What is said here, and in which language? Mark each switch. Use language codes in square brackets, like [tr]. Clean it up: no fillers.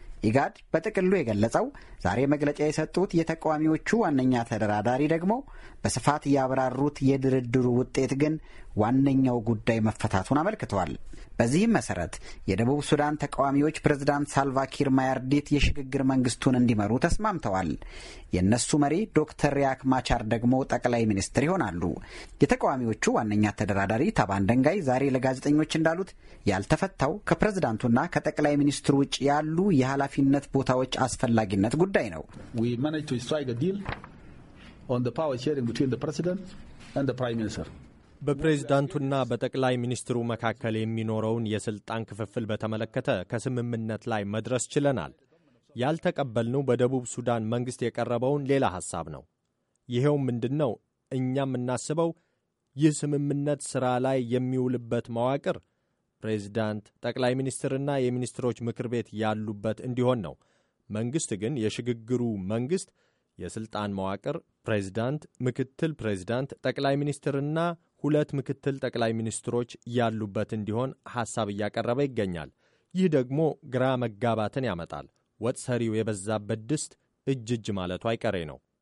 [am] ኢጋድ በጥቅሉ የገለጸው ዛሬ መግለጫ የሰጡት የተቃዋሚዎቹ ዋነኛ ተደራዳሪ ደግሞ በስፋት ያብራሩት የድርድሩ ውጤት ግን ዋነኛው ጉዳይ መፈታቱን አመልክቷል። በዚህም መሰረት የደቡብ ሱዳን ተቃዋሚዎች ፕሬዝዳንት ሳልቫኪር ማያርዲት የሽግግር መንግስቱን እንዲመሩ ተስማምተዋል። የነሱ መሪ ዶክተር ሪያክ ማቻር ደግሞ ጠቅላይ ሚኒስትር ይሆናሉ። የተቃዋሚዎቹ ዋነኛ ተደራዳሪ ታባን ደንጋይ ዛሬ ለጋዜጠኞች እንዳሉት ያልተፈታው ከፕሬዝዳንቱና ከጠቅላይ ሚኒስትሩ ውጪ ያሉ የኃላፊነት ቦታዎች አስፈላጊነት ጉዳይ ነው። [en] We managed to strike a deal on the power sharing between the president and the prime minister. [am] በፕሬዝዳንቱና በጠቅላይ ሚኒስትሩ መካከል የሚኖረውን የስልጣን ክፍፍል በተመለከተ ከስምምነት ላይ መድረስ ችለናል። ያልተቀበልነው በደቡብ ሱዳን መንግስት የቀረበውን ሌላ ሐሳብ ነው። ይሄውም ምንድነው? እኛም እናስበው ይህ ስምምነት ሥራ ላይ የሚውልበት መዋቅር ፕሬዝዳንት፣ ጠቅላይ ሚኒስትርና የሚኒስትሮች ምክር ቤት ያሉበት እንዲሆን ነው። መንግስት ግን የሽግግሩ መንግስት የስልጣን መዋቅር ፕሬዝዳንት፣ ምክትል ፕሬዝዳንት፣ ጠቅላይ ሚኒስትርና 2 ምክትል ጠቅላይ ሚኒስትሮች ያሉበት እንዲሆን ሐሳብ እያቀረበ ይገኛል። ይህ ደግሞ ግራ መጋባትን ያመጣል። ወጥ ሰሪው የበዛበት ድስት እጅ እጅ ማለቱ አይቀሬ ነው።